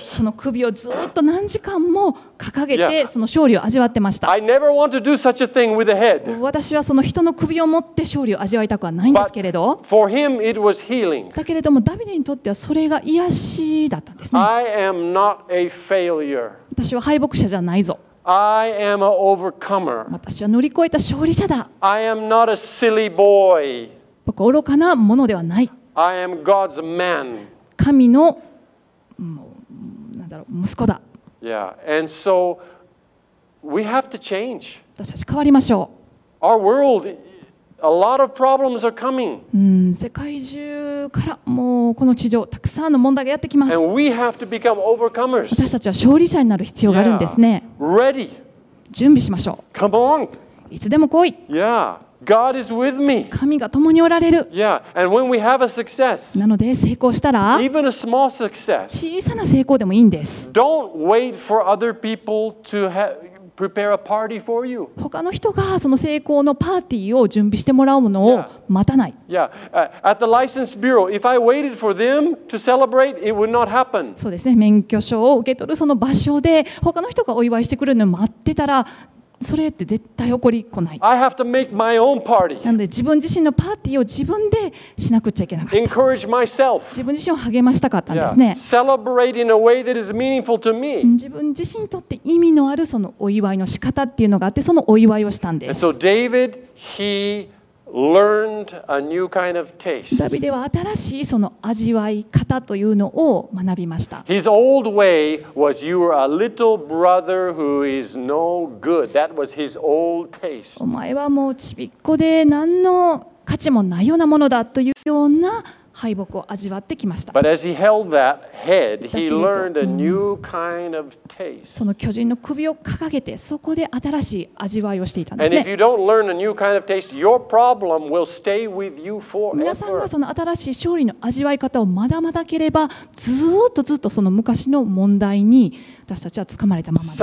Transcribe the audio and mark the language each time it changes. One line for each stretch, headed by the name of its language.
Japanese: その首をずっと何時間も掲げて、その勝利を味わってました。
English: I never want to do such a thing with a head.
Japanese: 私はその人の首を持って勝利を味わいたくはないんですけれど。
English: But for him, it was healing.
Japanese: だけれどもダビデにとってはそれが癒しだったんですね。
English: I am not a failure.
Japanese: 私は敗北者じゃないぞ。
English: I am an overcomer.
Japanese: 私は乗り越えた勝利者だ。
English: I am not a silly boy.
Japanese: 僕は愚かなものではない。
English: I am God's man.
Japanese: 神の、なんだろう、息子だ。
English: Yeah. And so we have to change.
Japanese: 私たち変わりましょう。
English: Our world, a lot of problems are coming.
Japanese: 世界中からもうこの地上たくさんの問題がやってきます。
English: And we have to become overcomers.
Japanese: 私たちは勝利者になる必要があるんですね。
English: Yeah. Ready.
Japanese: 準備しましょう。
English: Come on.
Japanese: いつでも来い。
English: Yeah. God is with me.
Japanese: 神が共におられる。
English: Yeah. And when we have a success,
Japanese: なので成功したら、
English: even a small success,
Japanese: 小さな成功でもいいんです。
English: Don't wait for other people to prepare a party for you.
Japanese: 他の人がその成功のパーティーを準備してもらうものを待たない。
English: Yeah. At the license bureau, if I waited for them to celebrate, it would not happen.
Japanese: そうですね。免許証を受け取るその場所で他の人がお祝いしてくるのを待ってたら、それって絶対起こりこない。
English: I have to make my own party.
Japanese: なので自分自身のパーティーを自分でしなくちゃいけなかった。
English: Encourage myself.
Japanese: 自分自身を励ましたかったんですね。
English: Yeah. Celebrate in a way that is meaningful to me.
Japanese: 自分自身にとって意味のあるそのお祝いの仕方っていうのがあって、そのお祝いをしたんです。
English: And so David, he learned a new kind of taste.
Japanese: ダビデは新しいその味わい方というのを学びました。
English: His old way was you were a little brother who is no good. That was his old taste.
Japanese: お前はもうちびっこで何の価値もないようなものだというような敗北を味わってきました。
English: But as he held that head, he learned a new kind of taste.
Japanese: その巨人の首を掲げて、そこで新しい味わいをしていたんですね。
English: And if you don't learn a new kind of taste, your problem will stay with you forever.
Japanese: 皆さんがその新しい勝利の味わい方を学ばなければ、ずっとずっとその昔の問題に私たちは掴まれたままです。